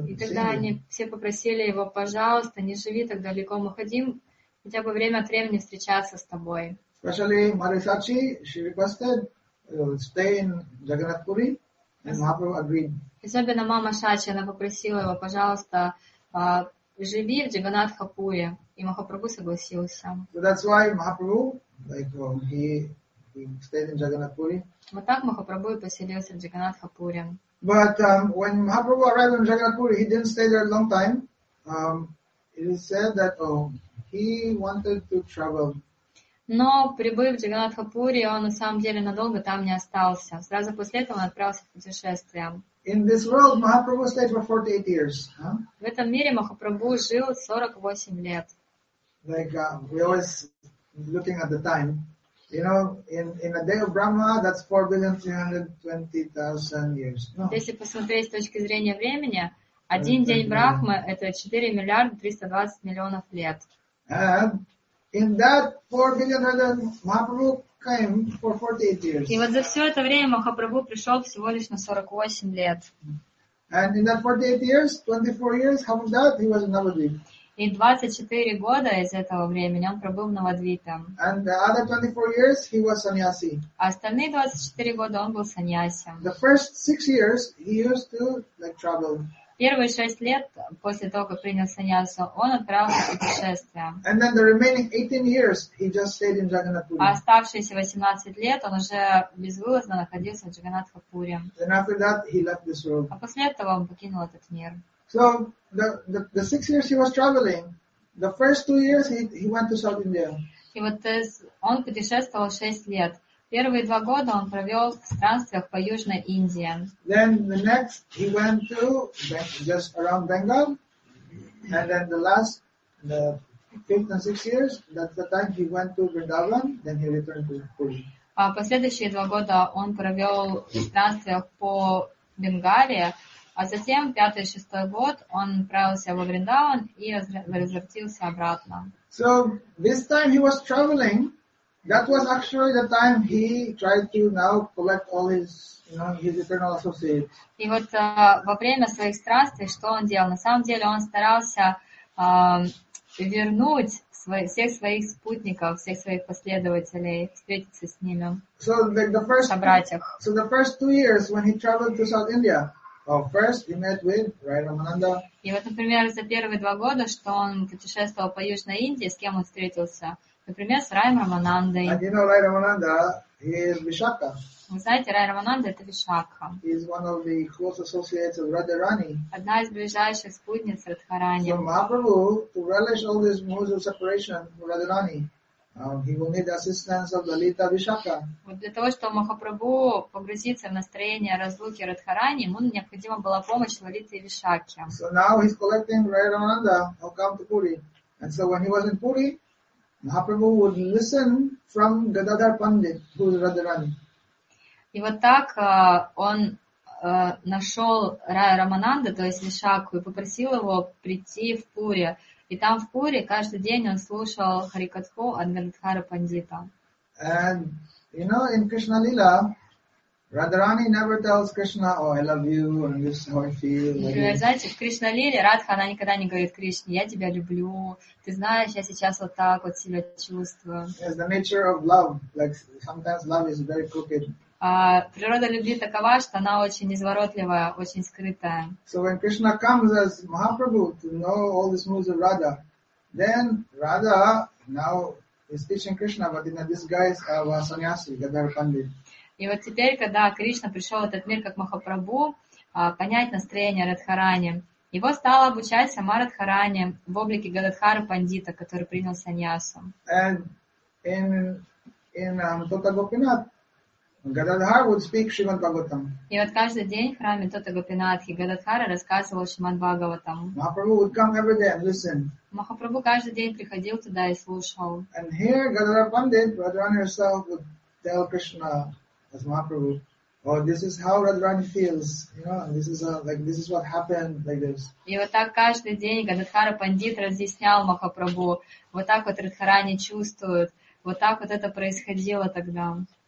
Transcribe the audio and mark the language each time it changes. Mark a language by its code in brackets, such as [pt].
[ru] И тогда они все попросили его, пожалуйста, не живи так далеко, мы хотим хотя бы время от времени встречаться с тобой. [en] Especially Marisachi, she requested, stay in Jagannath Puri, and Mahaprabhu agreed. [ru] Особенно мама Шачи, она попросила его, пожалуйста, живи в Джаганатхапуре. И Махапрабху согласился. [en] So that's why Mahaprabhu, like, he stayed in Jagannath Puri. [ru] Вот так Махапрабху и поселился в Джаганатхапуре. [en] But when Mahaprabhu arrived in Jagannath Puri, he didn't stay there a long time. It is said that he wanted to travel. [ru] Но, прибыв в Джаганатхапуре, он на самом деле надолго там не остался. Сразу после этого он отправился в путешествие. [en] In this world, Mahaprabhu stayed for 48 years. Huh? [ru] В этом мире Махапрабху жил 48 лет. [en] Like, we always looking at the time. You know, in a day of Brahma, that's 4,320,000 years. No. [ru] Если посмотреть с точки зрения времени, один день Брахмы — это 4,320,000,000 лет. [en] In that 4 billion Mahaprabhu came for 48 years. [ru] И вот за все это время Махапрабху пришел всего лишь на 48 лет. [en] And in that 48 years, 24 years, how was that? He was in Navadvip. [ru] И 24 года из этого времени он пробыл в Навадвипе. [en] And the other 24 years, he was sannyasi. [ru] А остальные 24 года он был саньяси. [en] The first 6 years, he used to like travel. [ru] Первые 6 лет после того, как принял саньясу, он отправился в путешествие. [en] And then the remaining 18 years he just stayed in Jagannath Puri. [ru] А оставшиеся 18 лет он уже безвылазно находился в Джаганатхапуре. [en] And after that he left this world. [ru] А после этого он покинул этот мир. [en] So the 6 years he was traveling, the first 2 years he went to South India. [ru] И вот он путешествовал 6 лет. Первые 2 года он провел в странствиях по Южной Индии. [en] Then the next he went to just around Bengal, and then the 5th and 6th years, that's the time he went to Vrindavan, then he returned to Puri. [ru] А последующие 2 года он провел в странствиях по Бенгалии, а затем 5-й и 6-й год он отправился во Вриндаван и возвратился обратно. [en] So this time he was traveling. That was actually the time he tried to now collect all his, you know, his eternal associates. [ru] И вот во время своих странствий, что он делал? На самом деле он старался вернуть всех своих спутников, всех своих последователей, встретиться с ними. [en] So the first 2 years when he traveled to South India, first he met with Rai Ramananda. [ru] И вот, например, за первые 2 года, что он путешествовал по Южной Индии, с кем он встретился? Например, с Раем Раманандой. [en] And you know Rai Ramananda, he is Vishakha. [ru] Вы знаете, Рай Рамананда — это Вишакха. [en] He is one of the close associates of Radharani. [ru] Одна из ближайших спутниц Радхарани. [en] So Mahaprabhu, to relish all this moves of separation from Radharani, he will need the assistance of Lalita Vishakha. [ru] Вот для того, чтобы Махапрабху погрузиться в настроение разлуки Радхарани, ему необходима была помощь Лалиты и Вишакхи. [en] So now he's collecting Рай Рамананда, I'll come to Puri. And so when he was in Puri, Mahaprabhu would listen from Gadadhar Pandit, who is Radharani. [ru] И вот так он нашел Рая Рамананда, то есть Вишакху, и попросил его прийти в Пури. И там в Пури каждый день он слушал Харикатху от Гададхара Пандита. [en] And you know, in Krishna Lila, Radharani never tells Krishna, oh, I love you, and this is how I feel. [ru] Знаете, в Кришна-лиле Радха, она никогда не говорит Кришне, я тебя люблю, ты знаешь, я сейчас вот так вот себя чувствую. [en] It's the nature of love. Like, sometimes love is very crooked. [ru] Природа любви такова, что она очень изворотливая, очень скрытая. [en] So when Krishna comes as Mahaprabhu to know all the moves of Radha, then Radha now is teaching Krishna, but in a disguise of a sannyasi, Gadadhar Pandit. [ru] И вот теперь, когда Кришна пришел в этот мир как Махапрабху, понять настроение Радхарани, его стала обучать сама Радхарани в облике Гададхара Пандита, который принял саньясу. [en] And in Тота Гопинат, Гададхар would speak Шриман Бхагаватам. [ru] И вот каждый день в храме Тота Гопинатхи Гададхара рассказывал Шриман Бхагаватам. [en] Махапрабху would come every day and listen. [ru] Махапрабху каждый день приходил туда и слушал. [en] And here Гададхар Пандит, Радхарани herself would tell Krishna. As Mahaprabhu, oh, this is how Radharani feels, you know. And this is a, like this is what happened, like this. [ru] И вот так каждый день Гададхара Пандит разъяснял Махапрабху, вот так вот Радхарани чувствует, вот так вот это происходило тогда.